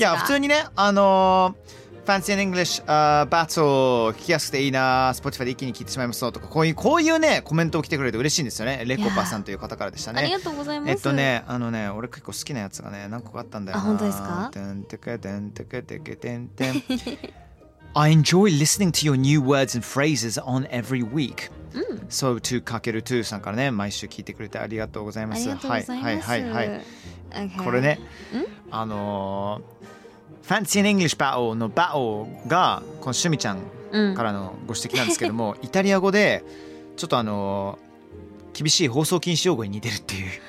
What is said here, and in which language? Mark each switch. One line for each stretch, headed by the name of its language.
Japanese: や普通にね、ファンシーのイングリッシュバトル聞きやすくていいな、スポティファイで一気に聞いてしまいますとか、こういうねコメントを来てくれて嬉しいんですよね。レコパさんという方からでしたね。ありがとうございます。俺結構好きなやつがね何個かあったんだよな。あ、本当ですか。テンテカテンテカテカテンテン。
English: I enjoy listening to your new words and phrases on every week.
Japanese: So to かける2さんからね、毎週聞いてくれてありがとうございます。ありがとうございます。はいはいはいはい。これね、Fancy an English Battle の Battle がこのシュミちゃんからのご指摘なんですけども、イタリア語でちょっと厳しい放送禁止用語に似てるっていう。